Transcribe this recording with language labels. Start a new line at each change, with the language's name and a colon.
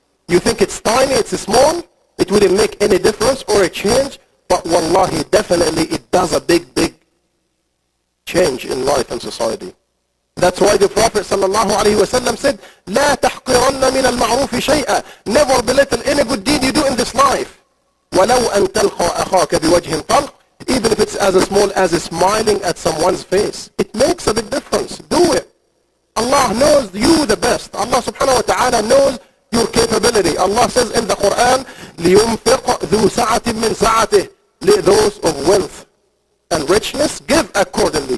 English: You think it's tiny, it's small, it wouldn't make any difference or a change. But wallahi, definitely it does a big, big change in life and society. That's why the Prophet sallallahu alayhi wa sallam said,
Arabic: لَا تَحْقِرَنَّ مِنَ الْمَعْرُوفِ شَيْئًا.
English: Never belittle any good deed you do in this life.
Arabic: وَلَوْ أَن تَلْقَى أَخَاكَ بِوَجْهٍ طَلْقٍ.
English: Even if it's as small as smiling at someone's face, it makes a big difference. Do it. Allah knows you the best. Allah subhanahu wa ta'ala knows your capability. Allah says in the Quran,
Arabic: لينفق ذو سعة من سعته.
English: Those of wealth and richness, give accordingly.